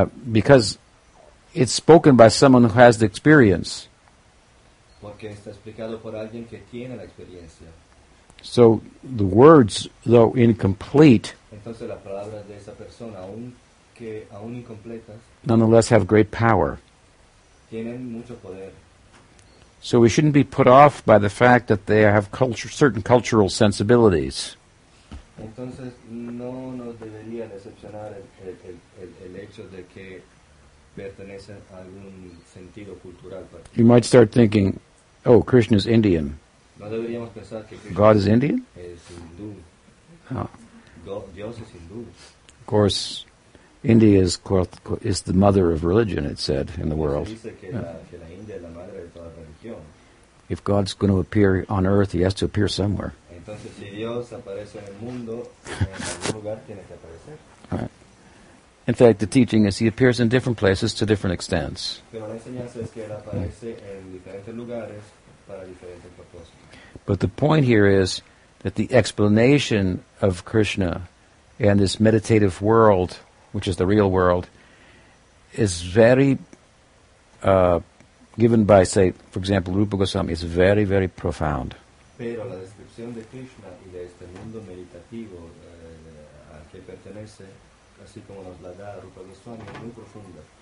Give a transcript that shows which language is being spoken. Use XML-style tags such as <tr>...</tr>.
<en>Because it's spoken by someone who has the experience.</en> <es>Porque está explicado por alguien que tiene la experiencia.</es> <en>So the words, though incomplete,</en> <es>entonces, las palabras de esa persona, aun incompletas,</es> <en>nonetheless have great power.</en> <es>Tienen mucho poder.</es> <en>So we shouldn't be put off by the fact that they have certain cultural sensibilities.</en> <es>Entonces, no nos debería decepcionar el hecho de que pertenecen a algún sentido cultural.</es> <en>You might start thinking, oh, Krishna is Indian.</en> <es>No deberíamos pensar que Krishna</es> <en>God is Indian?</en> <es>Es hindú. Oh. Dios es hindú.</es> <en>Of course, India is the mother of religion, it said, in the world.</en> <es>Dice que yeah. Que la India es la madre de toda religión.</es> <en>If God's going to appear on earth, he has to appear somewhere.</en> <es>Entonces, si Dios aparece en el mundo, en algún lugar tiene que aparecer.</es> <en>Right. In fact, the teaching is he appears in different places to different extents.</en> <es>Pero la enseñanza es que él aparece en diferentes lugares para diferentes propósitos.</es> <en>But the point here is that the explanation of Krishna and this meditative world, which is the real world, is very, given by, say, for example, Rupa Goswami, is very, very profound.</en> <es>Pero la descripción de Krishna y de este mundo meditativo al que pertenece, así como nos la da Rupa Goswami, es muy profunda.</es>